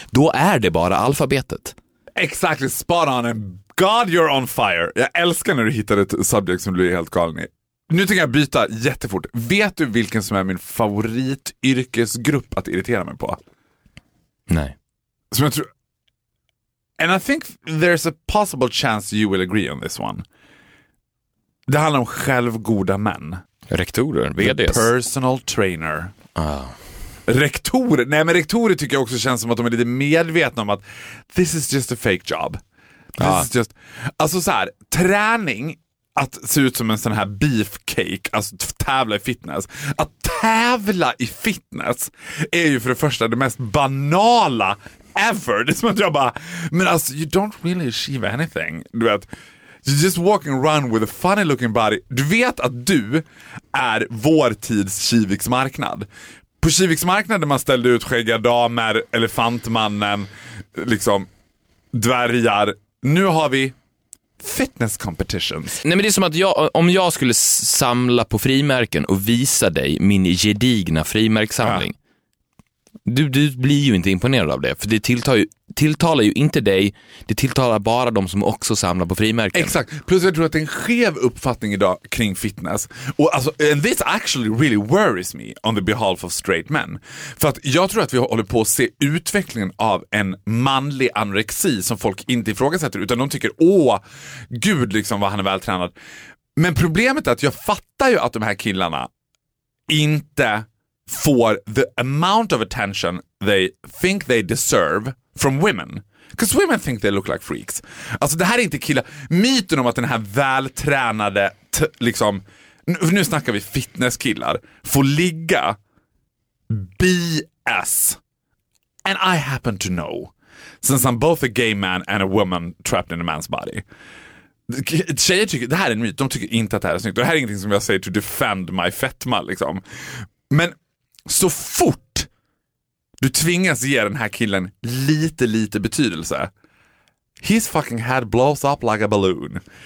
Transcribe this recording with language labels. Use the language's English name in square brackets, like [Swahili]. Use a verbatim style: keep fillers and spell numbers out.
[Swedish] Då är det bara alfabetet. [English] Exactly, spot on. And God, you're on fire. [Swedish] Jag älskar när du hittar ett subjekt som du är helt galen i. Nu tänker jag byta jättefort. Vet du vilken som är min favorityrkesgrupp att irritera mig på? Nej. Som jag tror... [English] And I think there's a possible chance you will agree on this one. [Swedish] Det handlar om självgoda män. Rektorer, V Ds. [English] Personal trainer. Oh. [Swedish] Rektorer, nej men rektorer tycker jag också känns som att de är lite medvetna om att [English] this is just a fake job. This ah. is just, [Swedish] alltså så här, träning, att se ut som en sån här beefcake, alltså tävla i fitness. Att tävla i fitness är ju för det första det mest banala ever. Det är som att jag bara, men alltså, [English] you don't really achieve anything. [Swedish] Du vet, [English] you just walk and run with a funny looking body. [Swedish] Du vet att du är vår tids Kiviks marknad. På Kiviks marknad där man ställde ut skäggiga damer, elefantmannen, liksom dvärgar. Nu har vi fitness competitions. Nej, men det är som att jag, om jag skulle samla på frimärken och visa dig min gedigna frimärkssamling. Ja. Du, du blir ju inte imponerad av det. För det tilltar ju, tilltalar ju inte dig. Det tilltalar bara de som också samlar på frimärken. Exakt, plus jag tror att det är en skev uppfattning idag kring fitness. Och alltså, [English] and this actually really worries me on the behalf of straight men. [Swedish] För att jag tror att vi håller på att se utvecklingen av en manlig anorexi som folk inte ifrågasätter, utan de tycker, åh gud liksom vad han är vältränad. Men problemet är att jag fattar ju att de här killarna inte får [English] the amount of attention they think they deserve from women. Because women think they look like freaks. [Swedish] Alltså det här är inte killar. Myten om att den här vältränade t- liksom, nu, nu snackar vi fitnesskillar, får ligga B S. [English] And I happen to know, since I'm both a gay man and a woman trapped in a man's body. [Swedish] Tjejer tycker, det här är en myt, de tycker inte att det här är snyggt. Det här är ingenting som jag säger [English] to defend my [Swedish] fetma liksom. Men så fort du tvingas ge den här killen lite, lite betydelse, [English] his fucking head blows up like a balloon.